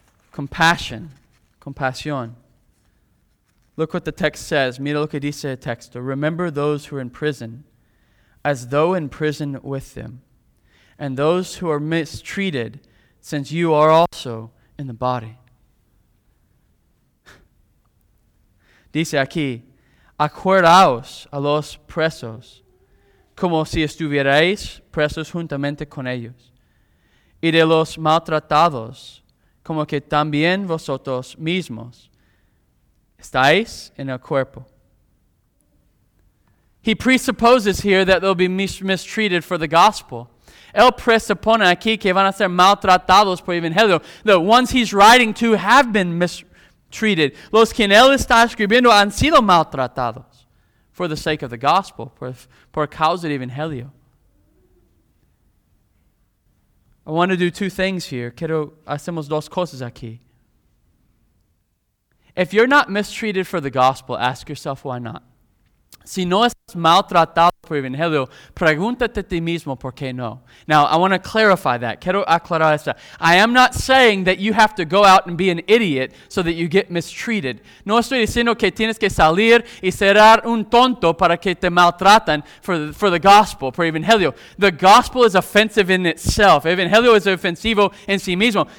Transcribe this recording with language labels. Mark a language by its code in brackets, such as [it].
[en] compassion, compasión. Look what the text says. [es] Mira lo que dice el texto. [en] Remember those who are in prison, as though in prison with them, and those who are mistreated, since you are also in the body. [es] Dice aquí, acuerdaos a los presos, como si estuvierais presos juntamente con ellos, y de los maltratados, como que también vosotros mismos estáis en el cuerpo. [en] He presupposes here that they'll be mistreated for the gospel. [es] Él presupone aquí que van a ser maltratados por el evangelio. [en] The ones he's writing to have been mistreated. [es] Los que él está escribiendo han sido maltratados [en] for the sake of the gospel, [es] por causa del evangelio. [en] I want to do two things here. [es] Quiero hacemos dos cosas aquí. [en] If you're not mistreated for the gospel, ask yourself why not. [es] Si no estás maltratado por el evangelio, pregúntate a ti mismo por qué no. [en] Now, I want to clarify that. [es] Quiero aclarar esto. [en] I am not saying that you have to go out and be an idiot so that you get mistreated. [es] No estoy diciendo que tienes que salir y ser un tonto para que te maltraten [en] for the gospel, [es] por el evangelio. [en] The gospel is offensive in itself. [es] El evangelio es ofensivo en sí mismo.